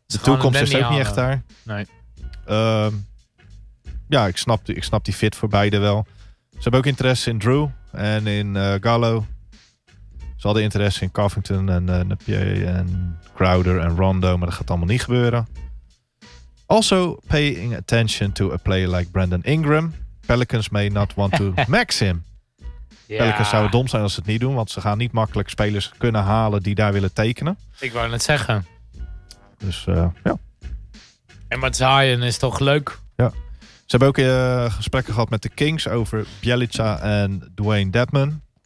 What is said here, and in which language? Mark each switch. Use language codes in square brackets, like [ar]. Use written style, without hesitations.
[nl] de toekomst is ook niet echt daar. Nee. Ik snap die fit voor beide wel. Ze hebben ook interesse in Drew en in Gallo. Ze hadden interesse in Covington en Napier en Crowder en Rondo. Maar dat gaat allemaal niet gebeuren. [en] Also paying attention to a player like Brandon Ingram. Pelicans may not want to max him. [nl] Ja. Pelicans zouden dom zijn als ze het niet doen. Want ze gaan niet makkelijk spelers kunnen halen die daar willen tekenen. Ik wou net zeggen... Dus ja. En met Zion is toch leuk? Ja. Ze hebben ook gesprekken gehad met de Kings over Bjelica en Dwayne Dedman.